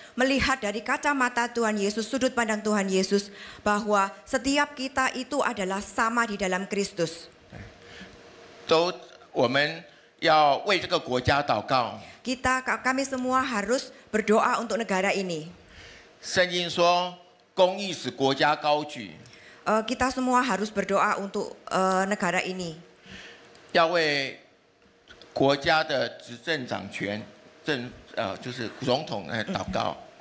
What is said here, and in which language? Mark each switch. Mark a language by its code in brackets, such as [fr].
[id] Melihat dari kacamata Tuhan Yesus, sudut pandang Tuhan Yesus, bahwa setiap kita itu adalah sama di dalam Kristus. [zh] 都我们要为这个国家祷告。 [id] Kita kami semua harus berdoa untuk negara ini. [zh] 圣经说，公义使国家高举。 [id] Kita semua harus berdoa untuk negara ini. [zh] 要为国家的执政掌权，就是总统来祷告。